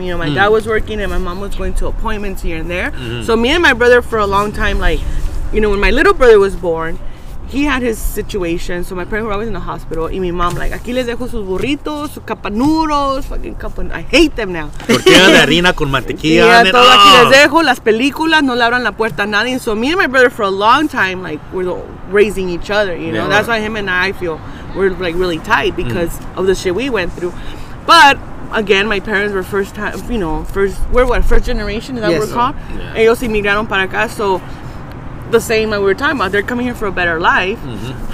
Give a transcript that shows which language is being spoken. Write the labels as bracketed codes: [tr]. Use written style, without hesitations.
[en] You know, my dad was working and my mom was going to appointments here and there. Mm-hmm. So me and my brother, for a long time, like, you know, when my little brother was born, he had his situation, so my parents were always in the hospital, and my mom, like, [es] aquí les dejo sus burritos, sus capanuros, [en] fucking capanuros. I hate them now. [es] Tortilla de harina con mantequilla. Yeah, todo aquí les dejo, las películas, no le abran la puerta a nadie. [en] So me and my brother, for a long time, like, we're raising each other, you know? Yeah. That's why him and I feel we're, like, really tight because of the shit we went through. But, again, my parents were first time, you know, first generation, is that what we're called? Yeah. [es] Ellos inmigraron para acá, [en] so... The same that we were talking about. They're coming here for a better life. Mm-hmm.